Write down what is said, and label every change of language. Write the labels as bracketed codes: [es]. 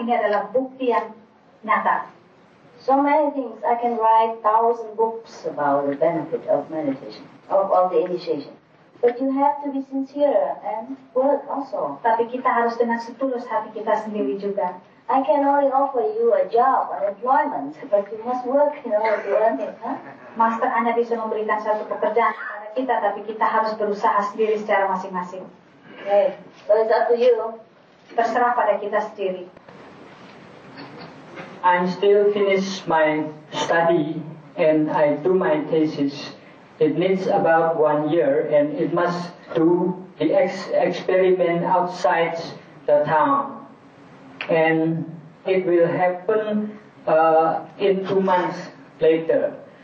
[id] Ini adalah bukti yang nyata. [en] So many things I can write thousand books about the benefit of meditation, of the initiation. But you have to be sincere and work also. [id] Tapi kita harus dengan setulus hati kita sendiri juga. [en] I can only offer you a job, an employment, but you must work in order to earn it. [id] Master hanya bisa memberikan satu pekerjaan kepada kita, tapi kita harus berusaha sendiri secara masing-masing. [en] Okay, so it's up to you. [id] Terserah pada kita sendiri. [en] I'm still finish my study and I do my thesis. It needs about 1 year and it must do the experiment outside the town. And it will happen in 2 months later.